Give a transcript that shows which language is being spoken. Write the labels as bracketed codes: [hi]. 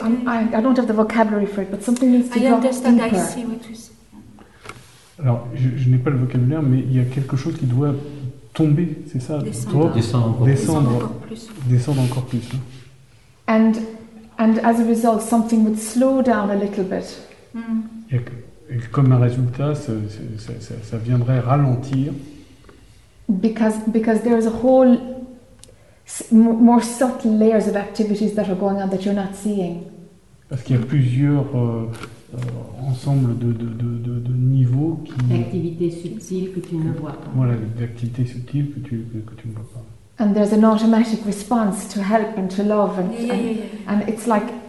[en] I don't have the vocabulary for it, but something needs to drop deeper. I understand. I see what you say. [fr] Alors, je n'ai pas le vocabulaire, mais il y a quelque chose qui doit tomber, c'est ça? Descendre encore plus. Hein. [en] And as a result, something would slow down a little bit. [fr] Et comme un résultat, ça viendrait ralentir. [en] Because there is a whole more subtle layers of activities that are going on that you're not seeing. [fr] Parce qu'il y a plusieurs ensembles de niveaux qui. D'activités subtiles que tu ne vois pas. Voilà, d'activités subtiles que tu ne vois pas. [en] And there's an automatic response to help and to love and it's like.